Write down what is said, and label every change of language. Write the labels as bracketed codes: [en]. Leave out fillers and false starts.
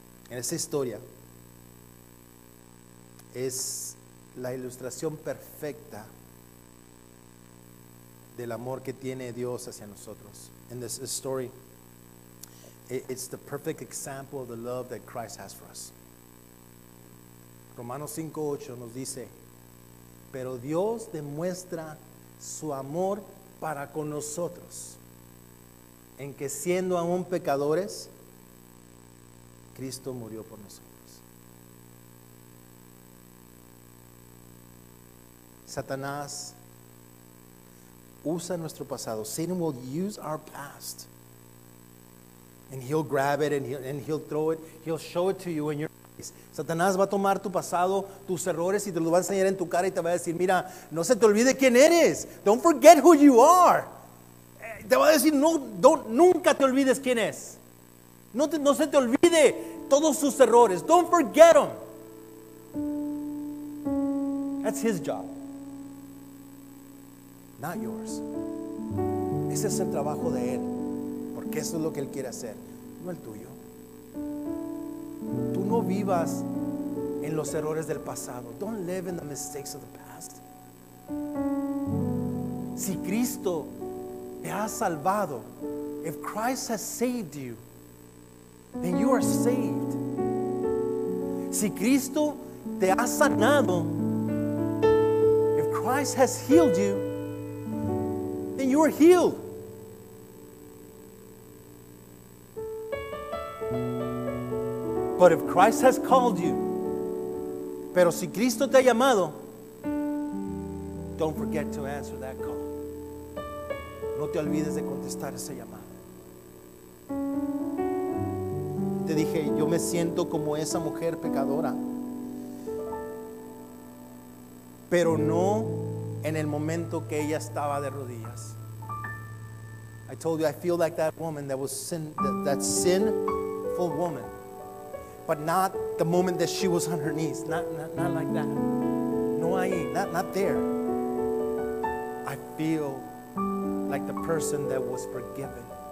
[es] En esta historia, es la ilustración perfecta del amor que tiene Dios hacia nosotros. [en] In this story, it's the perfect example of the love that Christ has for us. [es] Romanos 5:8 nos dice, pero Dios demuestra su amor para con nosotros, en que siendo aún pecadores, Cristo murió por nosotros. Satanás usa nuestro pasado. [en] Satan will use our past. And he'll grab it and he'll throw it. He'll show it to you in your [es] Satanás va a tomar tu pasado, tus errores, y te lo va a enseñar en tu cara y te va a decir, mira, no se te olvide quién eres. [en] Don't forget who you are. [es] Te va a decir, nunca te olvides quién es. No se te olvide todos sus errores. [en] Don't forget them. That's his job, not yours. [es] Ese es el trabajo de él, porque eso es lo que él quiere hacer, no el tuyo. Tú no vivas en los errores del pasado. [en] Don't live in the mistakes of the past. [es] Si Cristo te ha salvado, [en] if Christ has saved you, then you are saved. [es] Si Cristo te ha sanado, [en] if Christ has healed you, then you are healed. But if Christ has called you, [es] pero si Cristo te ha llamado, [en] don't forget to answer that call. [es] No te olvides de contestar ese llamado. Te dije, yo me siento como esa mujer pecadora, pero no en el momento que ella estaba de rodillas. [en] I told you, I feel like that woman that was sin, that sinful woman. But not the moment that she was on her knees. Not like that. No, I ain't. Not there. I feel like the person that was forgiven.